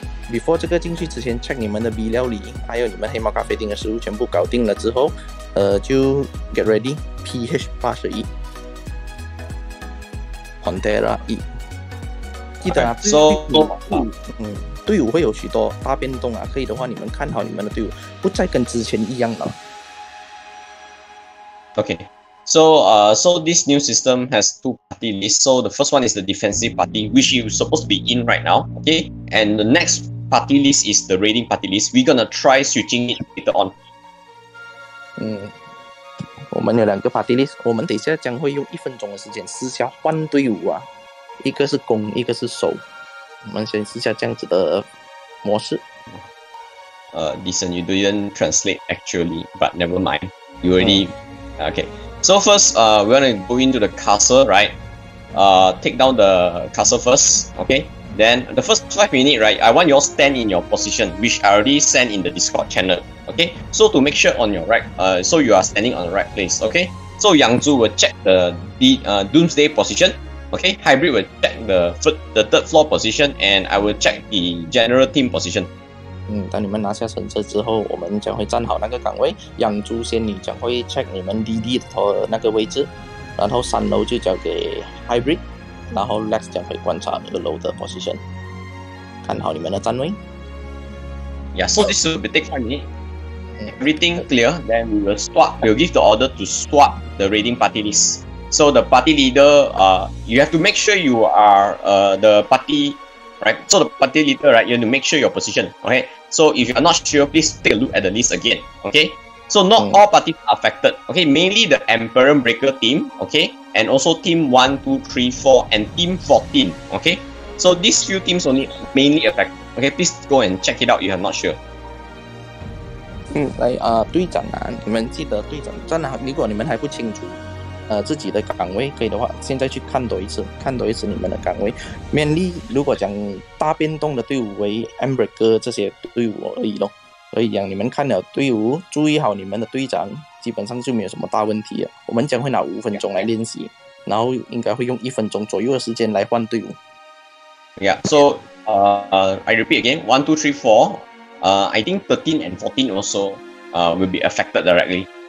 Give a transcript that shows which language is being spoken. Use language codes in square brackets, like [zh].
[en] Before [zh] 这个进去之前 [en] check [zh] 你们的 B 料理还有你们黑猫咖啡厅的食物全部搞定了之后，就 [en] get ready [zh] PH-81 Pantera 一，记得啊 [en] okay, so [zh] 队伍会有许多大变动啊，可以的话你们看好你们的队伍不再跟之前一样了。 [en] Okay, so so this new system has two party lists. So the first one is the defensive party, which you're supposed to be in right now, okay? And the next party list is the raiding party list. We're gonna try switching it later on. [zh] 我们有两个 party list, 我们等一下将会用一分钟的时间试下换队伍啊，一个是攻，一个是守，我们先试下这样子的模式。 [en] Listen, you didn't translate actually, but never mind. You already okay. So first, we wanna go into the castle, right? Take down the castle first, okay? Then the first 5 minutes, right? I want you all stand in your position, which I already sent in the Discord channel, okay? So to make sure on your right, so you are standing on the right place, okay? So Yang Zhu will check the doomsday position. Okay, Hybrid will check the third floor position, and I will check the general team position. [zh] 当你们拿下城池之后，我们将会站好那个岗位。养猪仙女将会 [en] check [zh] 你们 DD 的那个位置，然后三楼就交给 Hybrid， 然后 Lex 将会观察二楼的 [en] position， [zh] 看好你们的站位。 [en] Yeah, so this will take 5 minutes. Everything clear, then we will swap. We'll give the order to swap the raiding party list. So the party leader, you have to make sure you are the party, right? So the party leader, right? You have to make sure your position, okay? So if you are not sure, please take a look at the list again, okay? So not all parties are affected, okay? Mainly the Emperor Breaker team, okay? And also team 1, 2, 3, 4, and team 14, okay? So these few teams only mainly affect, okay? Please go and check it out if you are not sure. [zh] 来，队长啊，你们记得队长在哪？如果你们还不清楚自己的岗位可以的话，现在去看多一次，看多一次你们的岗位。面力如果讲大变动的队伍为 Embreaker 这些队伍而已咯，所以讲你们看了队伍，注意好你们的队长，基本上就没有什么大问题了。我们将会拿5分钟来练习，然后应该会用1分钟左右的时间来换队伍。 [en] Yeah, so I repeat again, 1, 2, 3, 4, I think 13 and 14 also will be affected directly.